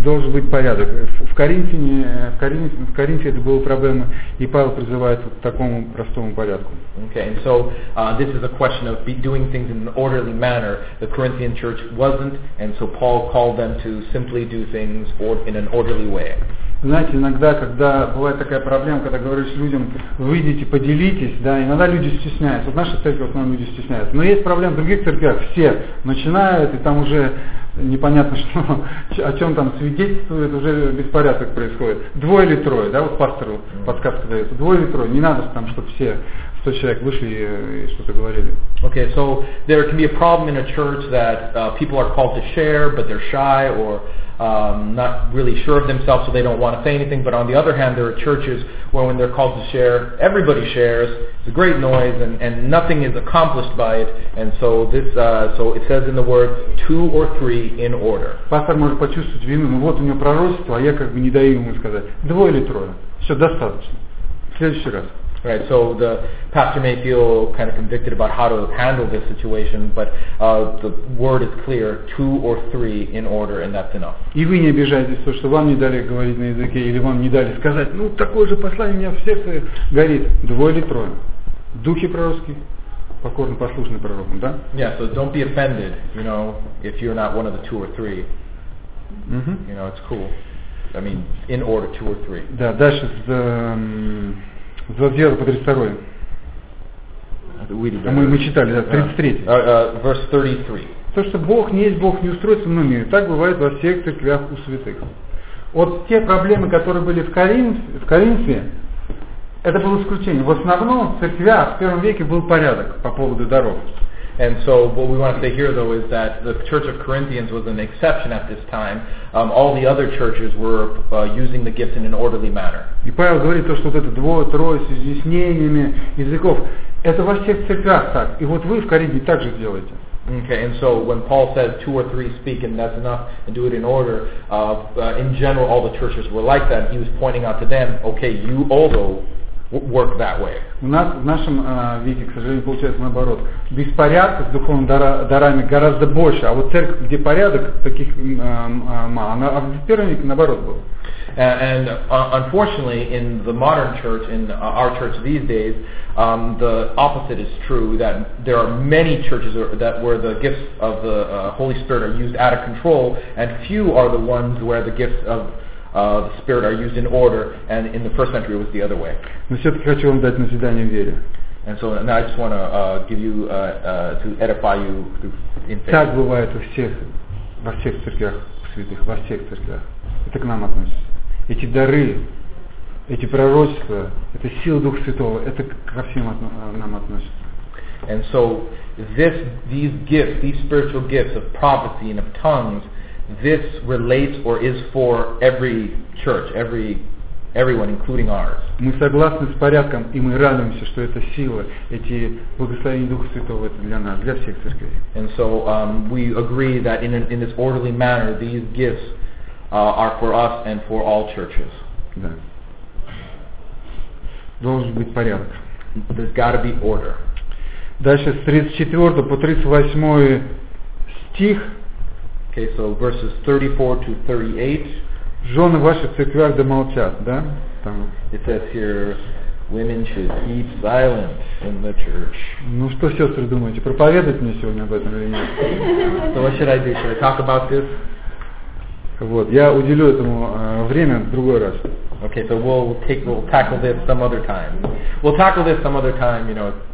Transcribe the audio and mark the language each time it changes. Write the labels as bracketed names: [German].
[Russian] Должен быть порядок. В Коринфе это была проблема, и Павел призывает к такому простому порядку. [English] Okay, and so this is a question of doing things in an orderly manner. The Corinthian church wasn't, and so Paul called them to simply do things in an orderly way. [Russian] Знаете, иногда, когда бывает такая проблема, когда говоришь людям, выйдите, поделитесь, да, иногда люди стесняются. Вот наша церковь, в основном, люди стесняются. Но есть проблема в других церквях, все начинают, и там уже непонятно, что, о чем там свидетельствует, уже беспорядок происходит. Двое или трое, да, вот пастору подсказка дается, двое или трое, не надо там, чтобы все 100 человек вышли и что-то говорили. [English] Okay, so there can be a problem in a church that people are called to share, but they're shy, or not really sure of themselves, so they don't want to say anything. But on the other hand, there are churches where when they're called to share, everybody shares. It's a great noise, and nothing is accomplished by it. And so this, so it says in the word, two or three in order. [Russian] Пастор может почувствовать вину, ну вот у него пророчество, а я как бы не даю ему сказать. Двое или трое. Все, достаточно. В следующий раз. [English] Right, so the pastor may feel kind of convicted about how to handle this situation, but the word is clear, two or three in order, and that's enough. [Russian] И вы не обижайтесь, то, что вам не дали говорить на языке, или вам не дали сказать, ну, такое же послание у меня в сердце горит, двое или трое. Духи пророческие, покорно послушны пророку, да? [English] Yeah, so don't be offended, you know, if you're not one of the two or three. Mm-hmm. You know, it's cool. I mean, in order, two or three. [Russian] Да, дальше с... С 29 по 32. Мы читали, да, 33. [English] Verse 33. [Russian] То, что Бог не есть Бог, не устроится в мире, так бывает во всех церквях у святых. Вот те проблемы, которые были в Коринфе, это было исключение. В основном в церквях в первом веке был порядок по поводу даров. [English] And so what we want to say here, though, is that the Church of Corinthians was an exception at this time. All the other churches were using the gift in an orderly manner. [Russian] И Павел говорит то, что вот это двое-трое с изъяснениями языков. Это во всех церквях так. И вот вы в Коринфе так же делаете. [English] Okay, and so when Paul says two or three speak and that's enough and do it in order, in general all the churches were like that. He was pointing out to them, okay, you also work that way. [Russian] У нас в нашем веке, к сожалению, получается наоборот. Беспорядка с духовными дарами гораздо больше, а вот церковь, где порядок, таких мало. А в первом веке наоборот было. [English] And unfortunately, in the modern church, in our church these days, the opposite is true, that there are many churches that where the gifts of the Holy Spirit are used out of control, and few are the ones where the gifts of the Spirit are used in order, and in the first century it was the other way. [Russian] Но все-таки хочу вам дать назидание в вере. [English] And so now I just want to give you to edify you in faith. [Russian] Так бывает у всех, во всех церквях святых, во всех церквях. Это к нам относится. Эти дары, эти пророчества, это сила Духа Святого, это ко всем нам относится. [English] And so this, these gifts, these spiritual gifts of prophecy and of tongues, this relates or is for every church, everyone, including ours. [Russian] Мы согласны с порядком, и мы радуемся, что эта сила, эти благословения Духа Святого, это для нас, для всех церквей. [English] And so we agree that in this orderly manner, these gifts are for us and for all churches. [Russian] Да. Должен быть порядок. [English] There's got to be order. [Russian] Дальше с 34 по 38 стих. [English] Okay, so verses 34-38. [Russian] Жены ваших церквях да молчат, да? Там. [English] It says here, women should keep silent in the church. [Russian] Ну что, сестры, думаете, проповедовать мне сегодня об этом или нет? [English] So what should I do? Should I talk about this? [Russian] Вот, я уделю этому время в другой раз. [English] Okay, so we'll tackle this some other time. We'll tackle this some other time, you know.